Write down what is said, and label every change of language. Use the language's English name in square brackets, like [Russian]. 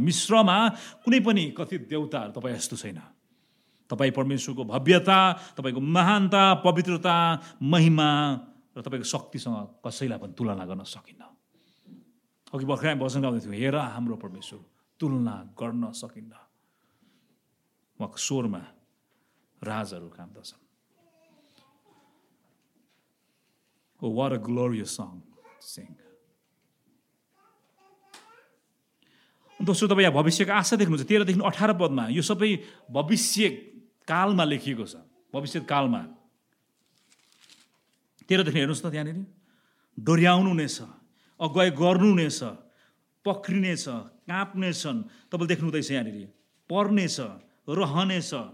[Nepali] मिश्रमा कुनै पनि कथित देवताहरू तपाईँ जस्तो छैन। तपाईँ परमेश्वरको भव्यता, तपाईँको महानता, पवित्रता, महिमा र तपाईँको शक्तिसँग कसैलाई पनि तुलना गर्न सकिन्न। अघि भर्खर हामी भजन गाउँदै थियौँ, हेर हाम्रो परमेश्वर तुलना गर्न सकिन्न, उहाँको स्वरमा राजहरू काम्दछन्। [English] Oh, what a glorious song to sing. [Nepali] दोस्रो तपाईँ यहाँ भविष्यको आशा देख्नुहुन्छ 13 देखि 18 पदमा। यो सबै भविष्यकालमा लेखिएको छ, भविष्यत कालमा 13 हेर्नुहोस् त त्यहाँनिर डोर्याउनु हुनेछ, अगुवाई गर्नु हुनेछ, पक्रिनेछ, काँप्नेछन्, तपाईँले देख्नु हुँदैछ यहाँनिर पर्नेछ, रहनेछ।